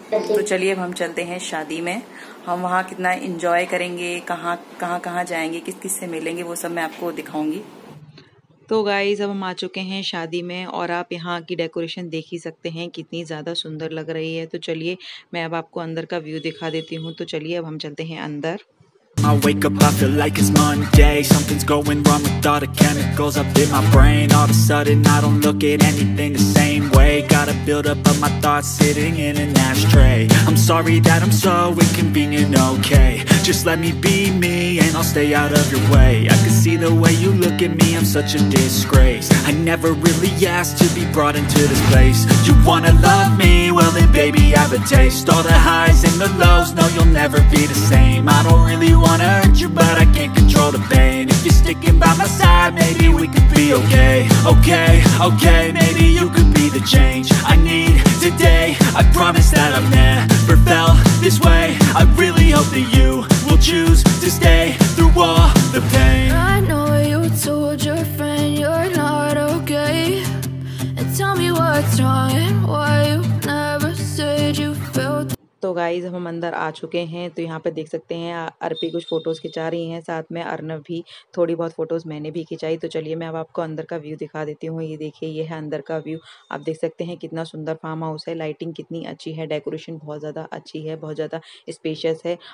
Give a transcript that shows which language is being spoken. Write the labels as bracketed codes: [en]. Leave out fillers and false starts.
[hi] तो चलिए अब हम चलते हैं शादी में. हम वहाँ कितना इंजॉय करेंगे, कहाँ कहाँ कहाँ जाएंगे, किस किस से मिलेंगे, वो सब मैं आपको दिखाऊंगी. तो गाइज अब हम आ चुके हैं शादी में और आप यहाँ की डेकोरेशन देख ही सकते हैं कितनी ज़्यादा सुंदर लग रही है. तो चलिए मैं अब आपको अंदर का व्यू दिखा देती हूँ. तो चलिए अब हम चलते हैं अंदर. [en] I wake up, I feel like it's Monday. Something's going wrong with all the chemicals up in my brain. All of a sudden, I don't look at anything the same way. Gotta build up of my thoughts sitting in an ashtray. I'm sorry that I'm so inconvenient, okay. Just let me be me and I'll stay out of your way. I can see the way you look at me, I'm such a disgrace. I never really asked to be brought into this place. You wanna love me? Well then baby, I have a taste. All the highs and the lows, no you'll never be the same. I don't really wanna hurt you, but I can't control the pain. If you're sticking by my side, maybe we could be okay. Okay, okay, maybe you could be the change I need today. I promise that I've never felt this way. I really hope that you will choose to stay through all the pain. I know you told your friend you're not okay. And tell me what's wrong and why you never said you felt. [hi] तो guys हम अंदर आ चुके हैं. तो यहाँ पे देख सकते हैं अर्पी कुछ फोटोज खिंचा रही हैं, साथ में अर्नव भी, थोड़ी बहुत फोटोज मैंने भी खिंचाई. तो चलिए मैं अब आपको अंदर का व्यू दिखा देती हूँ. ये देखिए ये है अंदर का व्यू. आप देख सकते हैं कितना सुंदर फार्म हाउस है, लाइटिंग कितनी अच्छी है, डेकोरेशन बहुत ज्यादा अच्छी है, बहुत ज्यादा स्पेशियस है.